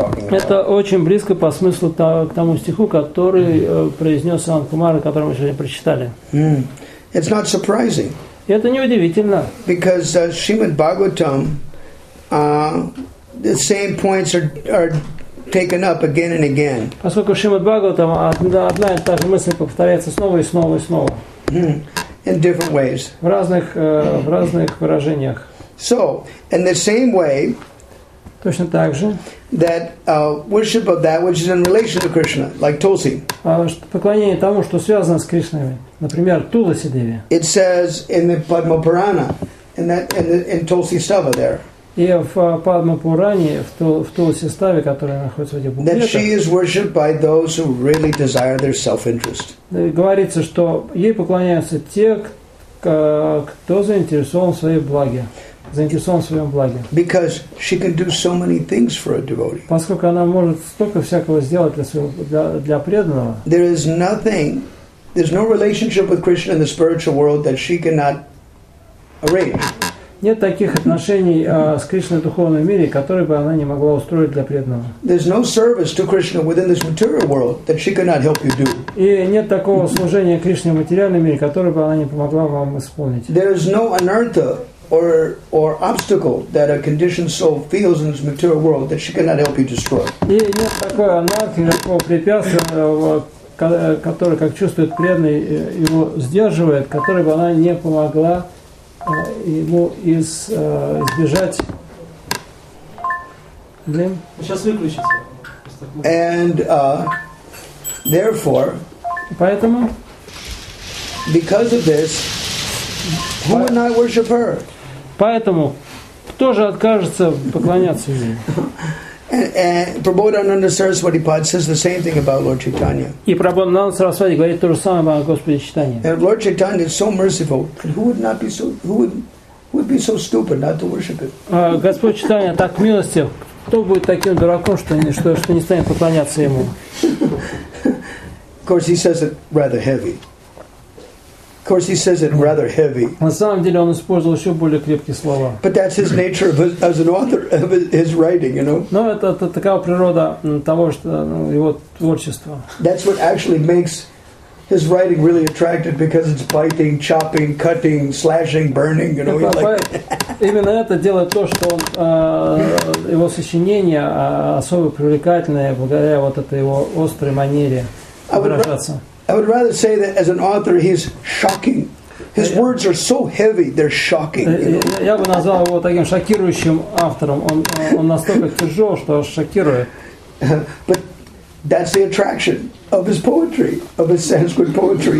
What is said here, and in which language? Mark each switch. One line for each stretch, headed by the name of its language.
Russian: Это очень близко по смыслу к тому стиху, который произнес Санат Кумара, который мы сегодня прочитали.
English: It's not surprising.
Russian: Это не удивительно.
English: Because Shrimad Bhagavatam, the same points are taken up again and again.
Russian: Поскольку Shrimad Bhagavatam одна и та же мысль повторяется снова и снова и снова.
English: In different ways.
Russian: В разных выражениях.
English: So, in the same way,
Russian: точно так же,
English: that worship of that which is in relation to Krishna, like Tulsi.
Russian: Поклонение тому, что связано с Кришной, например, Туласи Деви.
English: It says in the Padma Purana, in Tulsi Stava there.
Russian: И в Падма Пуране, в Туласи Ставе, которая находится в этих буклетах,
English: that she is worshipped by those who really desire their self-interest.
Russian: Говорится, что ей поклоняются те, кто заинтересован в своей благе. Заинтересован в своем благе.
English: Because she can do so many things for a devotee.
Russian: Поскольку она может столько всякого сделать для своего для преданного.
English: There is nothing, there's no relationship with Krishna in the spiritual world that she cannot arrange.
Russian: Нет таких отношений с Кришной в духовном мире, которые бы она не могла устроить для преданного.
English: There's no service to Krishna within this material world that she cannot help you do.
Russian: И нет такого служения Кришне в материальном мире, которое бы она не помогла вам исполнить.
English: There is no anartha or obstacle that a conditioned soul feels in this material world that she cannot help you destroy.
Russian: И нет такого анархии, такого препятствия, которое, как чувствует преданный, его сдерживает, которое бы она не помогла ему избежать. Сейчас выключится.
English: And Therefore,
Russian: поэтому,
English: because of this, who would not worship her?
Russian: Поэтому кто же откажется поклоняться ей?
English: Prabodhananda Saraswati Pad says the same thing about Lord Chaitanya.
Russian: И Прабхунанда Сарасвати говорит то же самое о Господе Чайтанье.
English: And Lord Chaitanya is so merciful. Who would be so stupid not to worship him?
Russian: Господь Чайтанья так милостив. Кто будет таким дураком, что не станет поклоняться ему?
English: Of course, he says it rather heavy.
Russian: На самом деле он использовал еще более крепкие слова.
English: But that's his nature of his, as an author of his writing, you know.
Russian: Но это такая природа того, что его творчество.
English: That's what actually makes his writing really attractive, because it's biting, chopping, cutting, slashing, burning, you know.
Russian: Именно это делает то, что его сочинения особо привлекательные благодаря вот этой его острой манере выражаться.
English: I would rather say that as an author, he's shocking. His words are so heavy; they're shocking.
Russian: Я бы назвал его таким шокирующим автором. Он настолько тяжел, что шокирует.
English: But that's the attraction of his poetry, of his Sanskrit poetry.